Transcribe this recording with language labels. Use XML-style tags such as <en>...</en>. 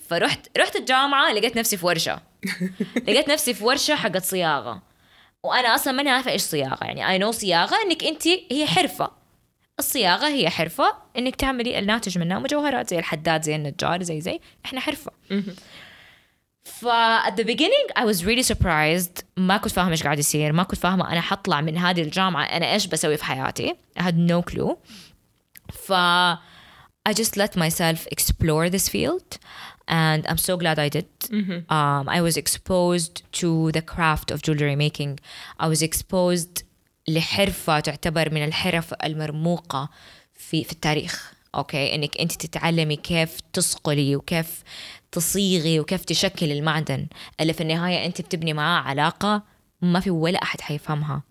<ar>فرحت الجامعة لقيت نفسي في ورشة. لقيت نفسي في ورشة حقت صياغة, وأنا أصلا ماني عارفة إيش صياغة. يعني</ar> <en>I know</en> <ar>صياغة إنك أنتي, هي حرفة. الصياغة هي حرفة إنك تعملي الناتج منها مجوهرات, زي الحداد, زي النجار, زي إحنا حرفة.</ar> <en>ف at the beginning I was really surprised.</en> <ar>ما كنت فاهمة إيش قاعد يصير, ما كنت فاهمة أنا حطلع من هذه الجامعة أنا إيش بسوي في حياتي.</ar> <en>I had no clue. ف I just let myself explore this field. And I'm so glad I did. Mm-hmm. I was exposed to the craft of jewelry making. I was exposed</en> <ar>لحرفة تعتبر من الحرف المرموقة في التاريخ. Okay, إنك أنت تتعلمي كيف تصقلي وكيف تصيغي وكيف تشكل المعدن, اللي في النهاية أنت بتبني معاه علاقة ما في ولا أحد حيفهمها.</ar>